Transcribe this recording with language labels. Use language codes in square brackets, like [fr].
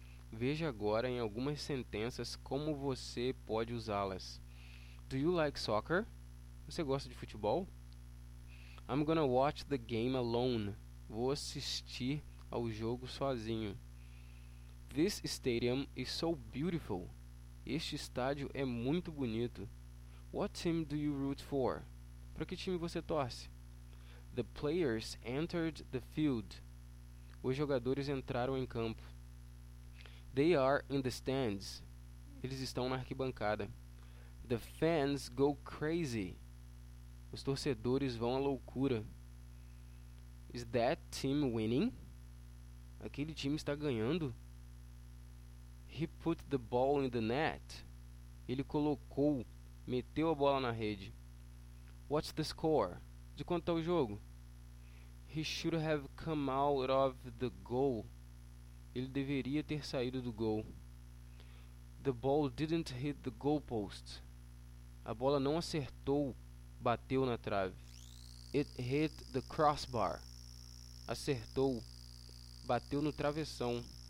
[pt] Veja agora em algumas sentenças como você pode usá-las. [en] Do you like soccer? [pt] Você gosta de futebol? [en] I'm gonna watch the game alone. [pt] Vou assistir ao jogo sozinho. [en] This stadium is so beautiful. [pt] Este estádio é muito bonito. [en] What team do you root for? [pt] Para que time você torce? [en] The players entered the field. [pt] Os jogadores entraram em campo. [en] They are in the stands. [pt] Eles estão na arquibancada. [en] The fans go crazy. [pt] Os torcedores vão à loucura. [en] Is that team winning? [pt] Aquele time está ganhando? [en] He put the ball in the net. [pt] Ele colocou, meteu a bola na rede. [en] What's the score? [pt] De quanto está o jogo? [en] He should have come out of the goal. [pt] Ele deveria ter saído do gol. [en] The ball didn't hit the goalpost. [pt] A bola não acertou, bateu na trave. [en] It hit the crossbar. [pt] Acertou, bateu no travessão.